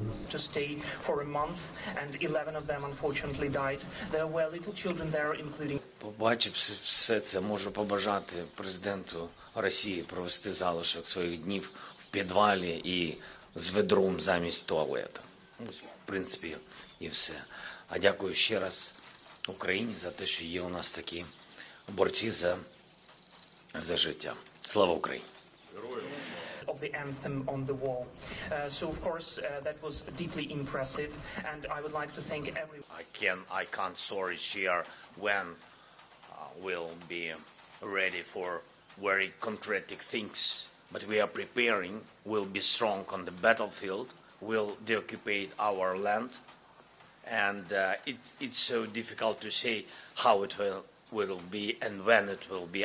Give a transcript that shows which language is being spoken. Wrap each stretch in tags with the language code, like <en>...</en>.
<en>to stay for a month and 11 of them unfortunately died. There were little children there including</en> <uk>побачив все це, можу побажати президенту Росії провести залишок своїх днів в підвалі і з ведром замість туалету. Ну, в принципі, і все. А дякую ще раз Україні за те, що є у нас такі борці за життя. Слава Україні. Героям.</uk> <en>Of the anthem on the wall. So of course that was deeply impressive and I would like to thank everyone. I can't sorry share when we'll be ready for very concrete things, but we are preparing, we'll be strong on the battlefield, we'll deoccupy our land and it's so difficult to say how it will be and when it will be.</en>